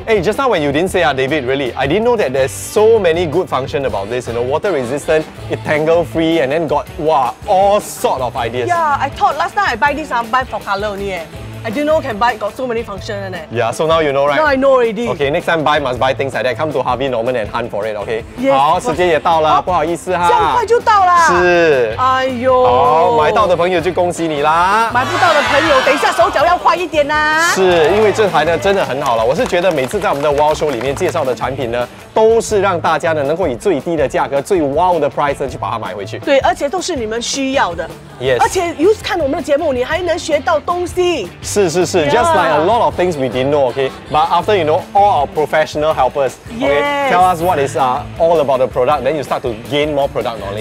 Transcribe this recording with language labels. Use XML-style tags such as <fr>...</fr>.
<en>Hey， just now when you didn't say David, really I didn't know that there's so many good function about this, you know, water resistant, it tangle free, and then got all sort of ideas. Yeah, I thought last time I buy this, I buy for color only, I didn't know can buy, got so many functions. Yeah, so now you know, right? Now I know already. Okay, next time buy, must buy things like that. Come to Harvey Norman and hunt for it, okay? Yes.</en> <zh>好，时间也到了，不好意思哈。这样快就到了。是。哎哟。好，买到的朋友就恭喜你啦。买不到的朋友，等一下手脚要快一点啦。是，因为这台呢真的很好了。我是觉得每次在我们的 Wow Show 里面介绍的产品呢，都是让大家呢能够以最低的价格、最 Wow 的 price 去把它买回去。对，而且都是你们需要的。</zh> <en>Yes.</en> <zh>而且又是看我们的节目，你还能学到东西。是是是、yeah.</zh> <en>Just like a lot of things we didn't know, okay? But after you know all our professional helpers, okay? Yes. Tell us what is all about the product, then you start to gain more product knowledge.</en>